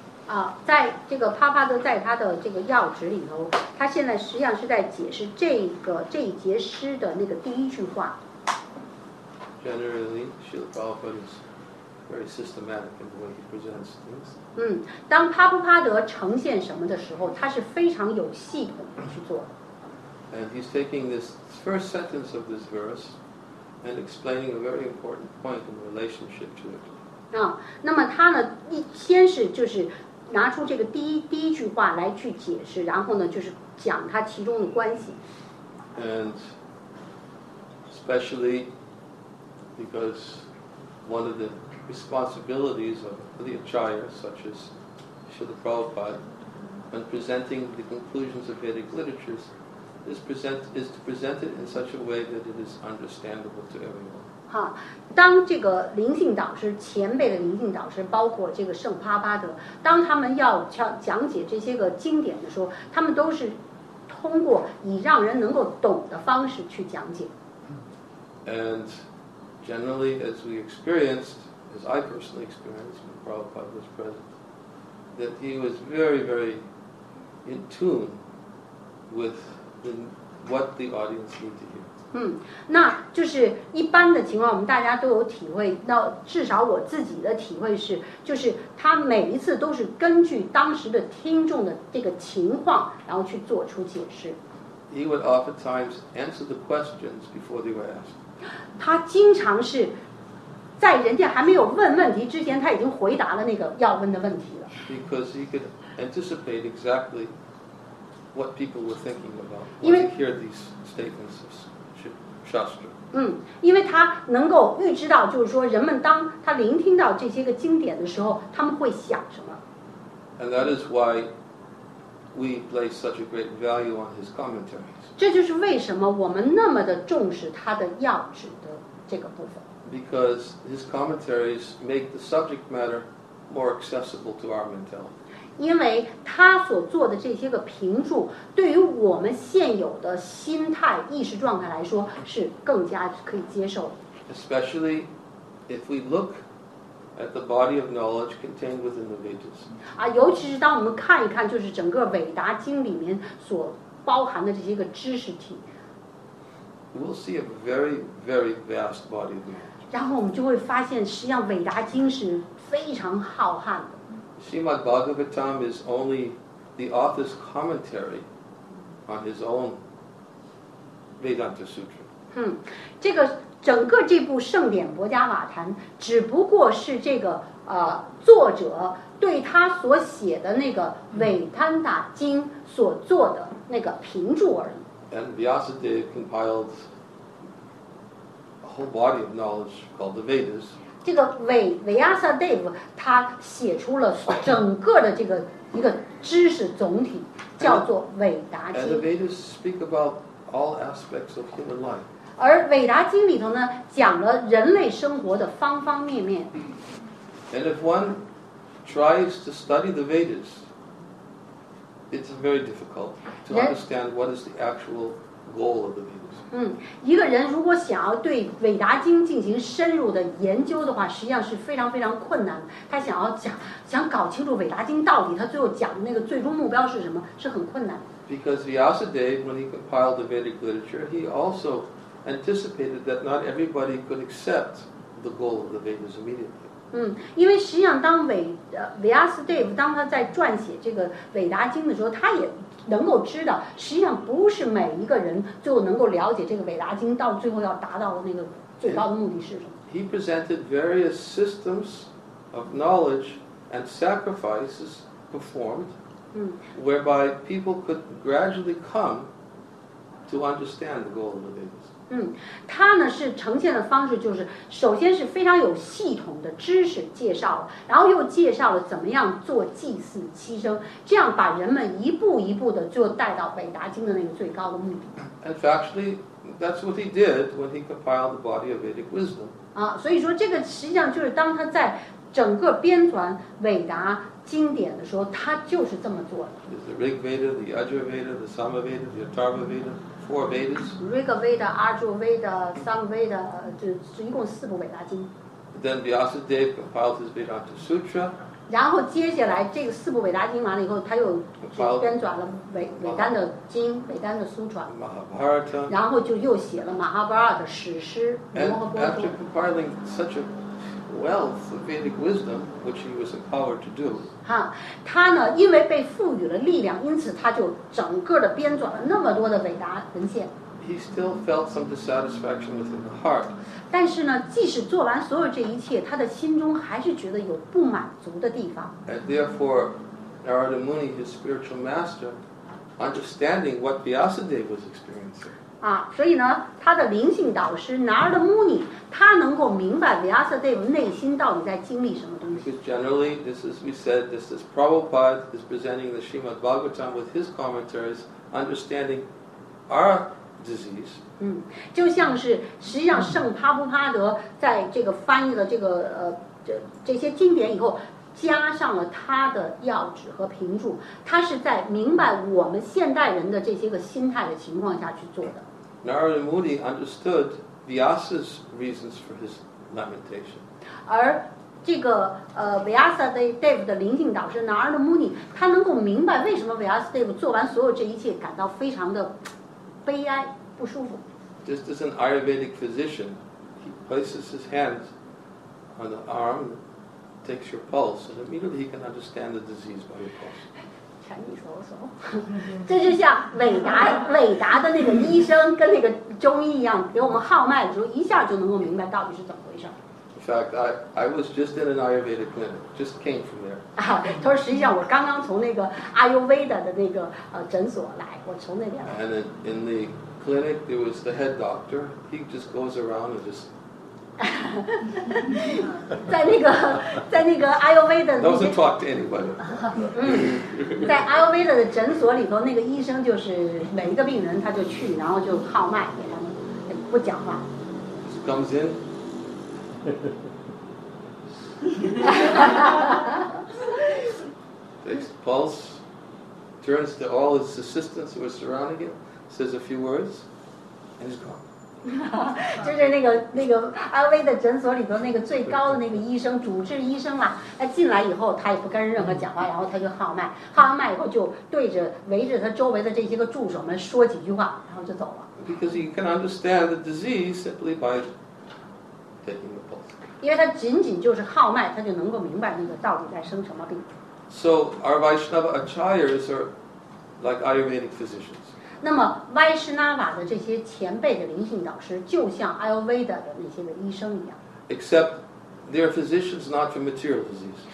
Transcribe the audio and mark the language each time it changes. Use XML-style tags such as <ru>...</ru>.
<zh>啊，在这个帕帕德在他的这个要旨里头，他现在实际上是在解释这一节诗的那个第一句话。</zh> <en>Generally, Srila Prabhupada is very systematic in the way he presents things.</en> <zh>嗯，当帕帕德呈现什么的时候，他是非常有系统的去做的。</zh> <en>And he's taking this first sentence of this verse. And explaining a very important point in relationship to it.</en> <zh>啊，那么他呢，先是就是拿出这个第一句话来去解释，然后呢，就是讲它其中的关系。</zh> <en>And especially because one of the responsibilities of the acharya, such as Srila Prabhupada, when presenting the conclusions of Vedic literatures. Is to present it in such a way that it is understandable to everyone.</en> <zh>哈，当这个灵性导师前辈的灵性导师，包括这个圣帕帕德，当他们要讲解这些个经典的时候，他们都是通过以让人能够懂的方式去讲解。</zh> <en>And generally, as we experienced, as I personally experienced when Prabhupada was present, that he was very, very in tune with. What the audience need to hear.</en> <zh>那就是一般的情况，我们大家都有体会。那至少我自己的体会是，就是他每一次都是根据当时的听众的这个情况，然后去做出解释。</zh> <en>He would oftentimes answer the questions before they were asked.</en> <zh>他经常是在人家还没有问问题之前，他已经回答了那个要问的问题了。</zh> <en>Because he could anticipate exactly. What people were thinking about when they hear these statements of Shastra.</en> <zh>因为他能够预知到，就是说，人们当他聆听到这些个经典的时候，他们会想什么。</zh> <en>And that is why we place such a great value on his commentaries.</en> <zh>这就是为什么我们那么的重视他的要旨的这个部分。</zh> <en>Because his commentaries make the subject matter more accessible to our mentality.</en> <zh>因为他所做的这些个评注对于我们现有的心态意识状态来说是更加可以接受的</zh> <en>especially if we look at the body of knowledge contained within the Vedas</en> <zh>啊，尤其是当我们看一看就是整个韦达经里面所包含的这些个知识体</zh> <en>we'll see a very very vast body of knowledge</en> <zh>然后我们就会发现实际上韦达经是非常浩瀚的</zh> <en>Srimad Bhagavatam is only the author's commentary on his own Vedanta Sutra.</en> <zh>这个整个这部圣典博伽瓦坛只不过是这个作者对他所写的那个韦坦达经所做的那个评注而已。</zh> <en>And Vyasadeva compiled a whole body of knowledge called the Vedas.</en> <zh>这个韦阿萨德夫他写出了整个的这个一个知识总体叫做韦达经</zh> <en>and the Vedas speak about all aspects of human life</en> <zh>而韦达经里头呢讲了人类生活的方方面面</zh> <en>and if one tries to study the Vedas, it's very difficult to understand what is the actual goal of the Vedas.</en> <zh>一个人如果想要对韦达经进行深入的研究的话，实际上是非常非常困难的。他想要想搞清楚韦达经到底他最后讲的那个最终目标是什么，是很困难的。</zh> <en>Because Vyasadeva, when he compiled the Vedic literature, he also anticipated that not everybody could accept the goal of the Vedas immediately.</en> <zh>因为实际上当Vyasadeva 当他在撰写这个韦达经的时候，他也能够知道，实际上不是每一个人最后能够了解这个韦达经到最后要达到的那个最高的目的是什么。</zh> <en>He presented various systems of knowledge and sacrifices performed, whereby people could gradually come to understand the goal of the Vedas.</en> <zh>他呢是呈现的方式就是，首先是非常有系统的知识介绍了，然后又介绍了怎么样做祭祀牺牲，这样把人们一步一步的就带到韦达经的那个最高的目的。</zh> <en>And factually, that's what he did when he compiled the body of Vedic wisdom.</en> <zh>所以说这个实际上就是当他在整个编纂韦达经典的时候，他就是这么做的。</zh> <en>There's the Rig Veda, the Ajur Veda, the Sama Veda, the Atharva Veda, four Vedas.</en> <zh>Rig Veda, Ajur Veda, Sama Veda, 一共四部韦达经。</zh> <en>Then Vyasadeva compiled his Vedanta Sutra.</en> <zh>然后接下来这个四部韦达经完了以后，他又编纂了韦丹的经，韦丹的 Sutra。</zh> <en>Mahabharata.</en> <zh>然后就又写了 Mahabharata 的史诗。</zh> <en>And after compiling such a wealth of Vedic wisdom, which he was empowered to do.</en> <zh>他呢，因为被赋予了力量，因此他就整个的编纂了那么多的韦达文献。</zh> <en>He still felt some dissatisfaction within the heart.</en> <zh>但是呢，即使做完所有这一切，他的心中还是觉得有不满足的地方。</zh> <en>And therefore, Narada Muni, his spiritual master, understanding what Vyasadeva was experiencing.</en> <zh>所以呢，他的灵性导师 Narada Muni， 他能够明白 Vyasadeva 内心到底在经历什么东西。</zh> <en>Because generally, this is we said, this is Prabhupada is presenting the Srimad Bhagavatam with his commentaries, understanding our disease.</en> <zh>就像是实际上圣帕布帕德在这个翻译了这个这些经典以后，加上了他的要旨和评注，他是在明白我们现代人的这些个心态的情况下去做的。</zh> <en>Narada Muni understood Vyasa's reasons for his lamentation.</en> <zh>而这个Vyasadeva 的灵性导师 Narada Muni， 他能够明白为什么 Vyasadeva 做完所有这一切感到非常的悲哀不舒服。</zh> <en>Just as an Ayurvedic physician, he places his hands on the arm. Takes your pulse, and immediately he can understand the disease by your pulse.</en> <zh>全你说说，这就像韦达的那个医生跟那个中医一样，给我们号脉的时候，一下就能够明白到底是怎么回事。</zh> <en>In fact, I was just in an Ayurveda clinic, just came from there.</en> <zh>他说实际上我刚刚从那个 Ayurveda 的那个诊所来，我从那边来。</zh> <en>And in the clinic, there was the head doctor. He just goes around and just.</en> <zh>在那个 Ayurveda 的</zh> <en>doesn't talk to anybody.</en> <zh>在 Ayurveda 的诊所里头，那个医生就是每一个病人，他就去，然后就号脉给他们，不讲话。</zh> <en>Just comes in. Takes the pulse, turns to all his assistants who are surrounding him, says a few words, and he's gone.</en> <zh>就是那个阿威的诊所里头那个最高的那个医生，主治医生嘛，他进来以后他也不跟任何讲话，然后他就号脉，号完脉以后就对着围着他周围的这些个助手们说几句话，然后就走了。</zh> <en>Because he can understand the disease simply by taking the pulse.</en> <zh>因为他仅仅就是号脉，他就能够明白那个到底在生什么病。</zh> <en>So our Vaishnava acharyas are like Ayurvedic physicians.</en> <zh>那么 Vaishnava 的这些前辈的灵性导师就像 Ayurveda 的那些的医生一样。</zh> <en>Except they are physicians not for material disease.</en>